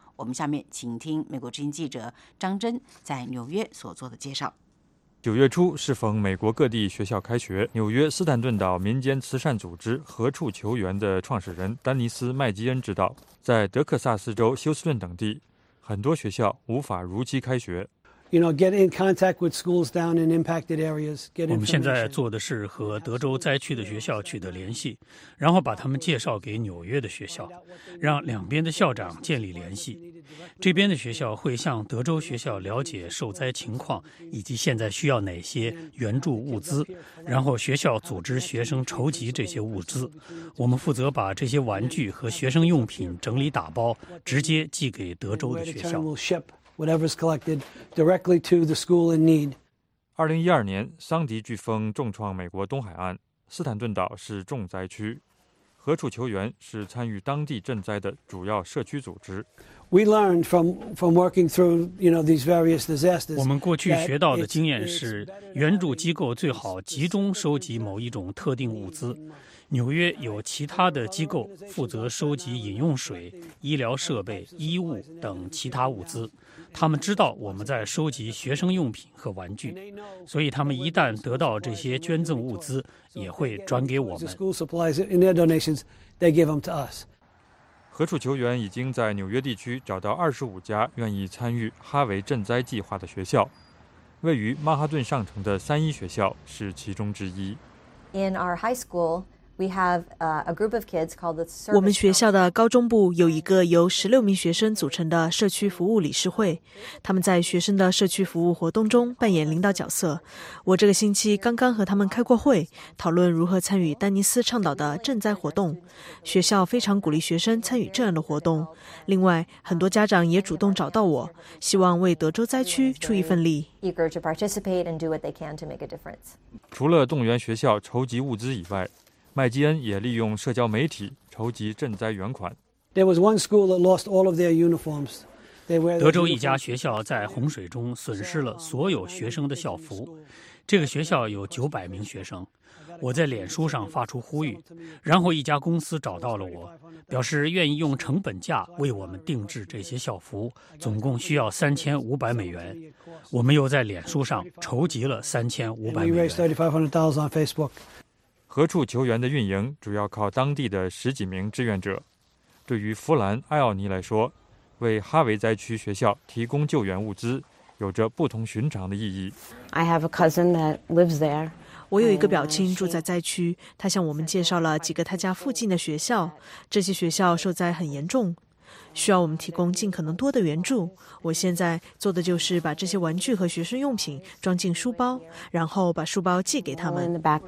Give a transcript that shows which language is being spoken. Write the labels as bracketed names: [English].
[Chinese] 我们下面请听美国之音记者张真在纽约所做的介绍。九月初适逢美国各地学校开学，纽约斯坦顿岛民间慈善组织何处求援的创始人丹尼斯·麦基恩知道，在德克萨斯州休斯顿等地，很多学校无法如期开学。 [English] You know, get in contact with schools down in impacted areas. [Chinese] 我们现在做的是和德州灾区的学校取得联系，然后把他们介绍给纽约的学校，让两边的校长建立联系。这边的学校会向德州学校了解受灾情况以及现在需要哪些援助物资，然后学校组织学生筹集这些物资。我们负责把这些玩具和学生用品整理打包，直接寄给德州的学校。 [English] Whatever is collected directly to the school in need. [Chinese] 2012年，桑迪飓风重创美国东海岸，斯坦顿岛是重灾区。何处求援是参与当地赈灾的主要社区组织。 [English] We learned from working through, you know, these various disasters. [Chinese] 我们过去学到的经验是，援助机构最好集中收集某一种特定物资。纽约有其他的机构负责收集饮用水、医疗设备、衣物等其他物资。他们知道我们在收集学生用品和玩具，所以他们一旦得到这些捐赠物资，也会转给我们。何处求援已经在纽约地区找到25家愿意参与哈维赈灾计划的学校，位于曼哈顿上城的三一学校是其中之一。 [English] In our high school,We have a group of kids called the Service. [Chinese] 我们学校的高中部有一个由16名学生组成的社区服务理事会，他们在学生的社区服务活动中扮演领导角色。我这个星期刚刚和他们开过会，讨论如何参与丹尼斯倡导的赈灾活动。学校非常鼓励学生参与这样的活动。另外，很多家长也主动找到我，希望为德州灾区出一份力。 [English] Eager to participate and do what they can to make a difference. [Chinese] 除了动员学校筹集物资以外，麦基恩也利用社交媒体筹集赈灾援款。 [English] There was one school that lost all of their uniforms. [Chinese] 德州一家学校在洪水中损失了所有学生的校服。这个学校有900名学生。我在脸书上发出呼吁，然后一家公司找到了我，表示愿意用成本价为我们定制这些校服，总共需要$3,500。我们又在脸书上筹集了$3,500。 [English] We raised $3,500 on Facebook. [Chinese] 何处求援的运营主要靠当地的十几名志愿者。对于弗兰·艾奥尼来说，为哈维灾区学校提供救援物资有着不同寻常的意义。 [English] I have a cousin that lives there. [Chinese] 我有一个表亲住在灾区，他向我们介绍了几个他家附近的学校。这些学校受灾很严重，需要我们提供尽可能多的援助。我现在做的就是把这些玩具和学生用品装进书包，然后把书包寄给他们。